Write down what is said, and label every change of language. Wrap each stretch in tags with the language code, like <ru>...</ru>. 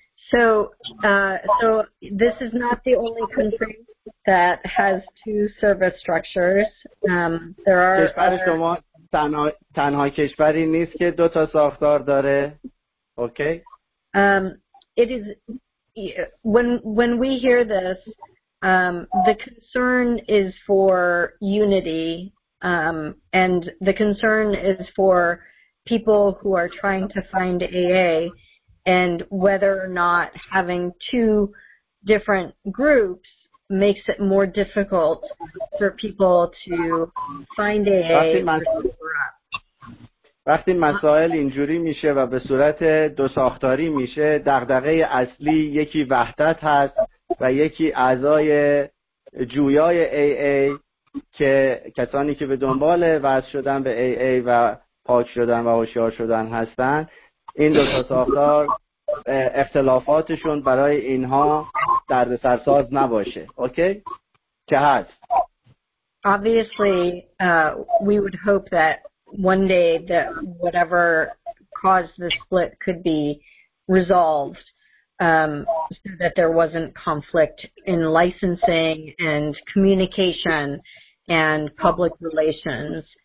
<en>So this is not the only country that has two service structures. There are</en> <fa>کشور شما تنها کشوری نیست که دو تا ساختار داره.</fa> <en>Okay. It is when we hear this, the concern is for unity. And the concern is for people who are trying to find AA and whether or not having two different groups makes it more difficult for people to find AA.</en> <fa>وقتی مسائل اینجوری میشه و به صورت دو ساختاری میشه، دغدغه اصلی یکی وحدت هست و یکی اعضای جویای AA که کسانی که به دنبال وصل شدن به AA و پاک شدن و هوشیار شدن هستن، این دو تا ساختار اختلافاتشون برای اینها درد سرساز نباشه. اوکی؟ که هست.</fa> <en>Obviously we would hope that one day that whatever caused the split could be resolved so that there wasn't conflict in licensing and communication and public relations.</en>